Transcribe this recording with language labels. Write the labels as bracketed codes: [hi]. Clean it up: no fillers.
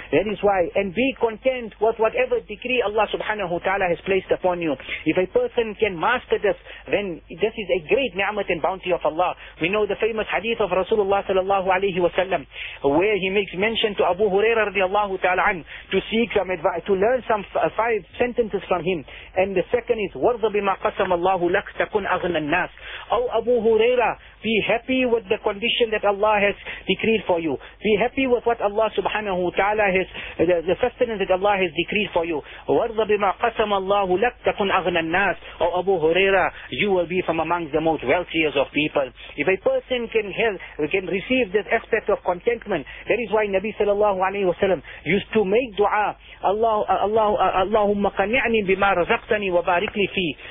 [en] That is why, and be content with whatever decree Allah subhanahu wa ta'ala has placed upon you. If a person can master this, then this is a great ni'mat and bounty of Allah. We know the famous hadith of Rasulullah sallallahu alayhi wa sallam, where he makes mention to Abu Huraira radiallahu ta'ala an, to seek some advice, to learn some five sentences from him. And the second is, [ar] وَرْضَ بِمَا قَسَمَ اللَّهُ لَكْ تَكُنْ أَغْنَى النَّاسِ. [en] Oh Abu Huraira, be happy with the condition that Allah has decreed for you. Be happy with what Allah subhanahu wa ta'ala has, the sustenance that Allah has decreed for you. [ar] وَرْضَ بِمَا قَسَمَ اللَّهُ لَكْ تَكُنْ أَغْنَى النَّاسِ. [en] O Abu Huraira, you will be from among the most wealthiest of people. If a person can have, can receive this aspect of contentment, that is why Nabi sallallahu alayhi wa sallam used to make dua, [ar] اللهم قنعني بما رزقتني وبارك لي فيه.